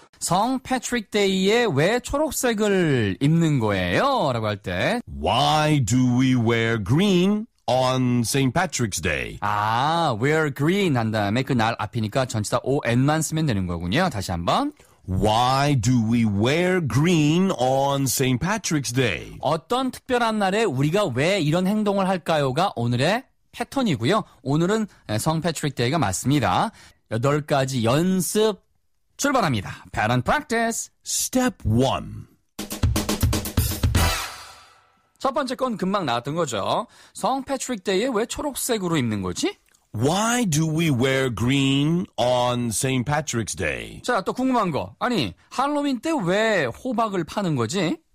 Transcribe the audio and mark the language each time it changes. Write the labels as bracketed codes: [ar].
[ko] 성 패트릭 데이에 왜 초록색을 입는 거예요? 라고 할 때 [en] Why do we wear green on St. Patrick's Day? [ko] 아, wear green 한 다음에 그 날 앞이니까 전치사 on만 쓰면 되는 거군요. 다시 한번 [en] Why do we wear green on St. Patrick's Day? [ko] 어떤 특별한 날에 우리가 왜 이런 행동을 할까요?가 오늘의 패턴이고요. 오늘은 성 패트릭 데이가 맞습니다. 8가지 연습 출발합니다. [en] Pattern practice. Step 1. [ko] 첫 번째 건 금방 나왔던 거죠. 성 패트릭 데이에 왜 초록색으로 입는 거지? [en] Why do we wear green on St. Patrick's Day? [ko] 자, 또 궁금한 거. 아니, 할로윈 때 왜 호박을 파는 거지?